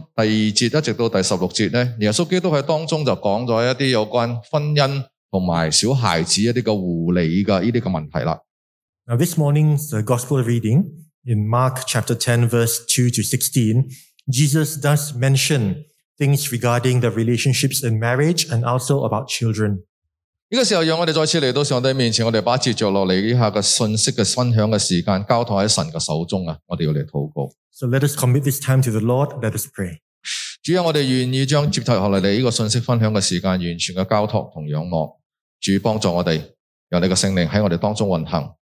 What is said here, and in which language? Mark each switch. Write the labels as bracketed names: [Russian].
[Cantonese] 今日早上呢个马可福音10章第2节一直到第16节呢, 耶稣基督系当中就讲咗一啲有关婚姻同埋小孩子一啲嘅护理嘅呢啲嘅问题啦。 [English] Now this morning's gospel reading, in Mark chapter 10, verse 2 to 16, Jesus does mention things regarding the relationships in marriage and also about children. [Cantonese] 这个时候让我们再次来到上帝面前，我们把节奏落嚟以下嘅信息嘅分享嘅时间交托喺神嘅手中，我们要来祷告。 [English] So let us commit this time to the Lord, let us pray. [Cantonese] 主，我们愿意将接下来嘅呢个信息分享嘅时间完全嘅交托同仰望，主帮助我们，让你嘅圣灵喺我们当中运行。